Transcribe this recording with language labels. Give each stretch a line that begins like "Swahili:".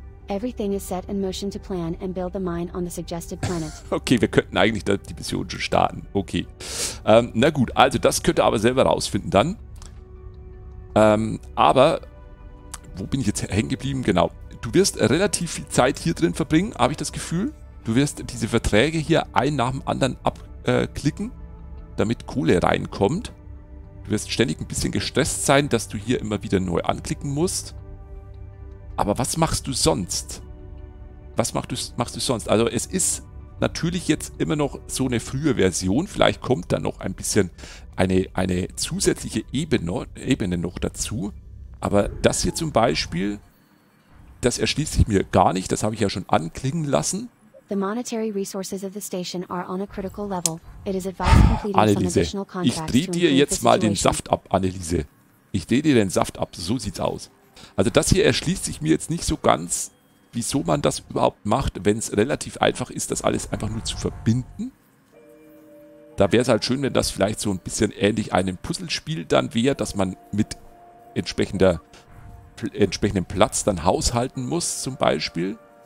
English: Everything is set in motion to plan and build the mine on the suggested planet.
German: Okay, wir könnten eigentlich die Mission schon starten. Okay. Na gut, also das könnt ihr aber selber rausfinden dann. Aber wo bin ich jetzt hängen geblieben? Genau. Du wirst relativ viel Zeit hier drin verbringen, habe ich das Gefühl. Du wirst diese Verträge hier einen nach dem anderen abklicken, damit Kohle reinkommt. Du wirst ständig ein bisschen gestresst sein, dass du hier immer wieder neu anklicken musst. Aber was machst du sonst? Also es ist natürlich jetzt immer noch so eine frühe Version. Vielleicht kommt da noch ein bisschen eine zusätzliche Ebene noch dazu. Aber das hier zum Beispiel, das erschließt sich mir gar nicht. Das habe ich ja schon anklingen lassen.
English: The monetary resources of the station are on a critical level. It is advised completing some additional contracts to improve the situation.
German: Anneliese, ich drehe dir jetzt mal den Saft ab, Anneliese. Ich drehe dir den Saft ab, so sieht's aus. Also das hier erschließt sich mir jetzt nicht so ganz, wieso man das überhaupt macht, wenn es relativ einfach ist, das alles einfach nur zu verbinden. Da wäre es halt schön, wenn das vielleicht so ein bisschen ähnlich einem Puzzlespiel dann wäre, dass man mit entsprechendem Platz dann haushalten muss zum Beispiel.